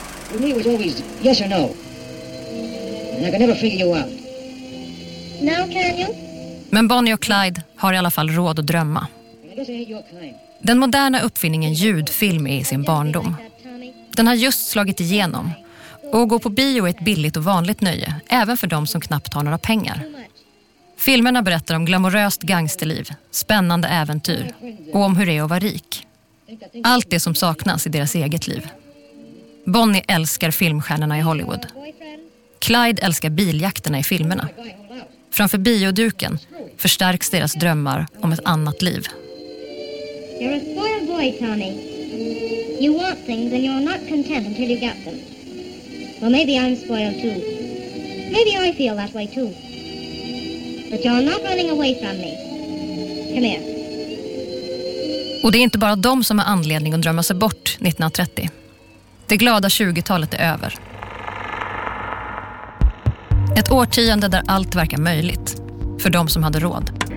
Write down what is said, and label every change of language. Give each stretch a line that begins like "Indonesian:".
English: For me it was always yes or no. And I can never figure you out. Now can you?
Swedish: Men Bonnie och Clyde har i alla fall råd att drömma. Den moderna uppfinningen ljudfilm är i sin barndom. Den har just slagit igenom. Och gå på bio är ett billigt och vanligt nöje, även för de som knappt har några pengar. Filmerna berättar om glamoröst gangsterliv, spännande äventyr och om hur det är att vara rik. Allt det som saknas i deras eget liv. Bonnie älskar filmstjärnorna i Hollywood. Clyde älskar biljakterna i filmerna. Framför bioduken förstärks deras drömmar om ett annat liv.
English: You're a spoiled boy, Tony. You want things and you're not content until you get them. Well, maybe I'm spoiled too. Maybe I feel that way too. But you're not running away from me. Come here.
Swedish: Och det är inte bara de som har anledning att drömma sig bort 1930. Det glada 20-talet är över. Ett årtionde där allt verkar möjligt för de som hade råd.